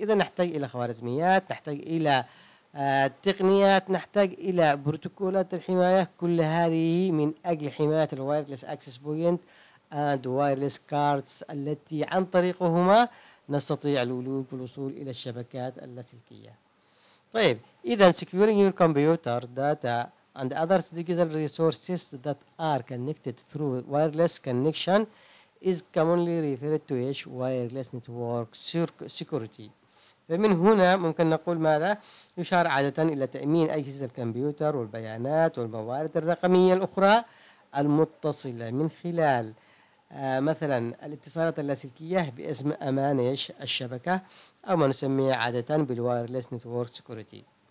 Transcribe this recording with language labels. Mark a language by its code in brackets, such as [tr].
[ar] إذا نحتاج إلى خوارزميات، نحتاج إلى تقنيات، نحتاج إلى بروتوكولات الحماية، كل هذه من أجل حماية الوايرلس أكسس بوينت and وايرلس كاردز، التي عن طريقهما نستطيع الولوج والوصول إلى الشبكات اللاسلكية. طيب، إذا [en] securing your computer data and other digital resources that are connected through wireless connection is commonly referred to as wireless network security. [ar] فمن هنا ممكن نقول ماذا؟ يشار عادة إلى تأمين أجهزة الكمبيوتر والبيانات والموارد الرقمية الأخرى المتصلة من خلال مثلا الاتصالات اللاسلكية باسم أمان الشبكة، أو ما نسميه عادة بالوايرلس نتورك سيكوريتي.